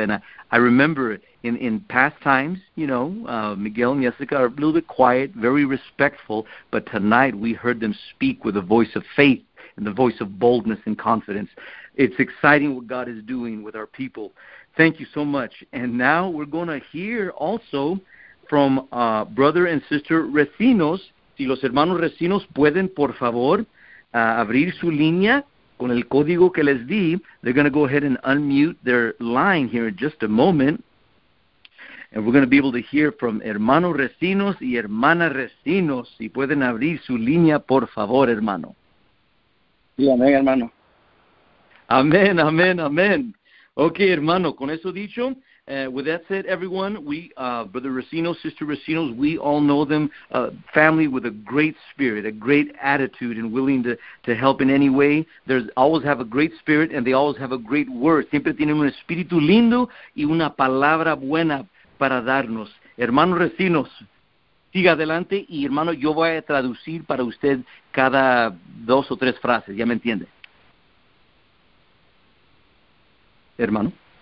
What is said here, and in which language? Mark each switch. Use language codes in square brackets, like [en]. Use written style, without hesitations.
[en] And I remember in past times, you know, Miguel and Jessica are a little bit quiet, very respectful. But tonight we heard them speak with a voice of faith and the voice of boldness and confidence. It's exciting what God is doing with our people. Thank you so much. And now we're going to hear also from Brother and Sister Recinos. [es] Si los hermanos Recinos pueden, por favor, abrir su línea con el código que les di. [en] They're going to go ahead and unmute their line here in just a moment. And we're going to be able to hear from Hermano Recinos y Hermana Recinos. [es] Si pueden abrir su línea, por favor, hermano. Sí, amén, hermano. [en] Amen, amen, amen. Okay, [es] hermano, con eso dicho, [en] with that said, everyone, we, Brother Recinos, Sister Recinos, we all know them, family with a great spirit, a great attitude, and willing to help in any way. They always have a great spirit, and they always have a great word. [es] Siempre tienen un espíritu lindo y una palabra buena para darnos. Hermano Recinos, siga adelante, y hermano, yo voy a traducir para usted cada dos o tres frases, ¿ya me entiende? Hermano.